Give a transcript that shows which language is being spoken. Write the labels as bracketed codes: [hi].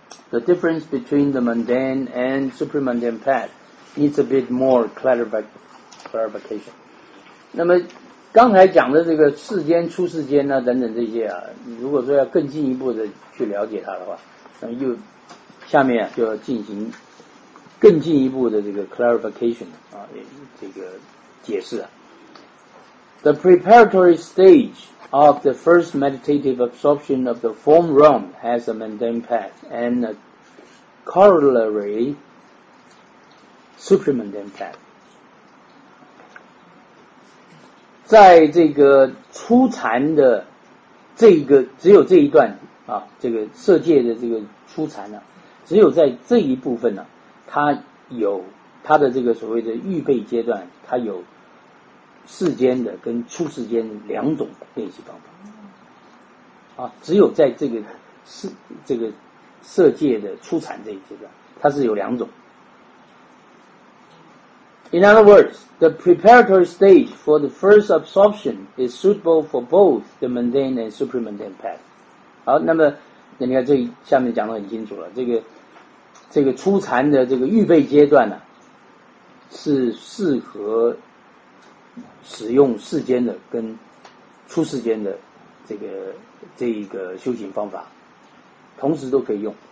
[en] The difference between the mundane and supramundane path needs a bit more clarification. [zh] 那么刚才讲的这个世间出世间啊等等这些啊，如果说要更进一步的去了解它的话，那么又下面啊就要进行更进一步的这个 clarification 啊，这个解释啊。 [en] The preparatory stage of the first meditative absorption of the form realm has a mundane path and a corollary supramundane path. [zh] 在这个初禅的这个只有这一段啊，这个色界的这个初禅呢、啊，只有在这一部分呢、啊，它有它的这个所谓的预备阶段，它有。世间的跟出世间的两种练习方法啊，只有在这个色界的初禅这一阶段，它是有两种。 [en] In other words, the preparatory stage for the first absorption is suitable for both the mundane and supramundane path. [zh] 好，那么那你看这下面讲得很清楚了，这个初禅的这个预备阶段呢、啊，是适合使用世间的跟出世间的这一个修行方法，同时都可以用。